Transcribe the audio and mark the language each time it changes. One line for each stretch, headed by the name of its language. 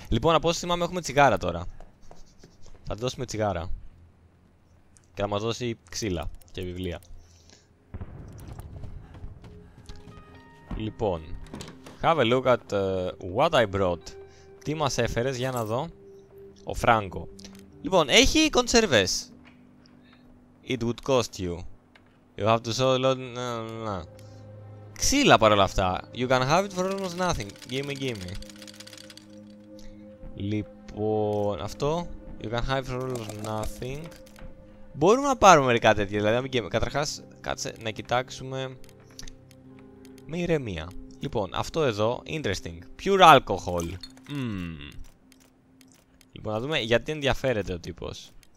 Greek: Λοιπόν, από όσο θυμάμαι έχουμε τσιγάρα τώρα. Θα τη δώσουμε τσιγάρα. Και θα μας δώσει ξύλα και βιβλία. Λοιπόν,
English: have a look at what I brought.
Greek: Τι μας έφερες, για να δω. Ο Φράγκο. Λοιπόν, έχει κονσερβές.
English: It would cost you. You have to sell a lot.
Greek: Ξύλα παρόλα αυτά.
English: You can have it for almost nothing. Gimme, gimme.
Greek: Λοιπόν, αυτό.
English: You can have for almost nothing.
Greek: Μπορούμε να πάρουμε μερικά τέτοια, δηλαδή να μην καίμε. Καταρχάς, κάτσε να κοιτάξουμε. Με ηρεμία. Λοιπόν, αυτό εδώ, interesting.
English: Pure alcohol.
Greek: Λοιπόν, να δούμε γιατί ενδιαφέρεται ο τύπος.